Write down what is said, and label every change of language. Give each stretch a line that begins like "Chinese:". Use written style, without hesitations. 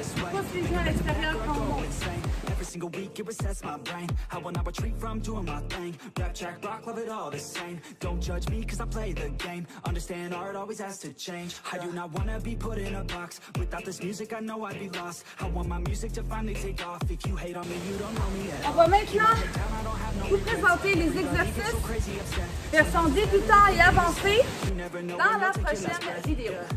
French: Pose les genoux à l'extérieur quand on monte.
English: Single week it resets my brain. I will not retreat from doing my thing. Rap, track, rock, love it all the same. Don't judge me cause I play the game. Understand art always has to change. I do not wanna be put in a box. Without this music I know I'd be lost. I want my music to finally take off. If you hate on me you don't know me yet.
French: On va maintenant vous présenter les exercices version débutant et avancé dans la prochaine vidéo.